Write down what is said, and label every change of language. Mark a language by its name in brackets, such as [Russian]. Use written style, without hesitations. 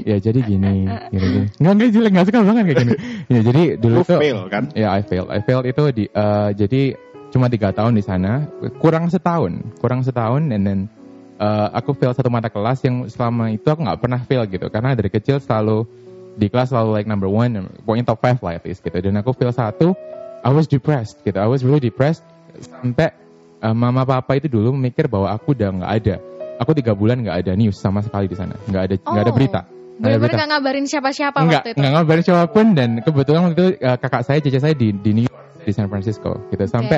[Indonesian] Ya jadi gini, gitu. Enggak jelek, enggak suka banget kayak gini. Ya jadi dulu tuh fail kan? Ya [English] I failed [Indonesian] itu di jadi cuma 3 tahun di sana, kurang setahun and then aku fail satu mata kelas yang selama itu aku enggak pernah fail gitu karena dari kecil selalu di kelas selalu like number one, pokoknya top 5 lah at least gitu. Dan aku feel satu, [English] I was depressed [Indonesian] gitu. [English] I was really depressed. [Indonesian] Sampai mama papa itu dulu mikir bahwa aku udah gak ada. Aku 3 bulan gak ada news sama sekali di sana. Gak ada berita. Bener-bener gak ngabarin siapa-siapa waktu itu? Gak ngabarin siapapun. Dan kebetulan waktu itu kakak saya, cece saya di New York, di San Francisco gitu.